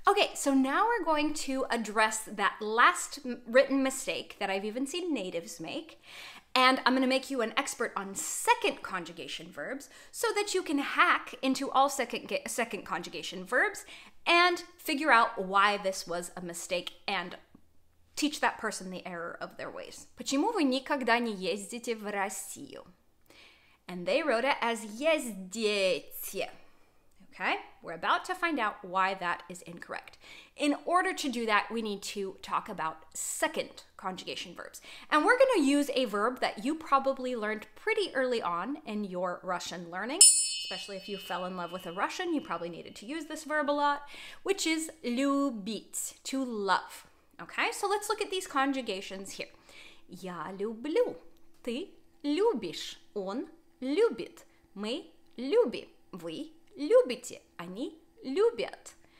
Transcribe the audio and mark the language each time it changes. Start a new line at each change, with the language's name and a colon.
English: Okay, so now we're going to address that last written mistake that I've even seen natives make, and I'm gonna make you an expert on second conjugation verbs so that you can hack into all second conjugation verbs and figure out why this was a mistake and teach that person the error of their ways.
Russian: Почему вы никогда не ездите в Россию?
English: And they wrote it as ездите. Okay, we're about to find out why that is incorrect. In order to do that, we need to talk about second conjugation verbs. And we're gonna use a verb that you probably learned pretty early on in your Russian learning, especially if you fell in love with a Russian, you probably needed to use this verb a lot, which is любить, to love. Okay, so let's look at these conjugations here.
Russian: Я люблю, ты любишь, он любит, мы любим, вы любите, они любят.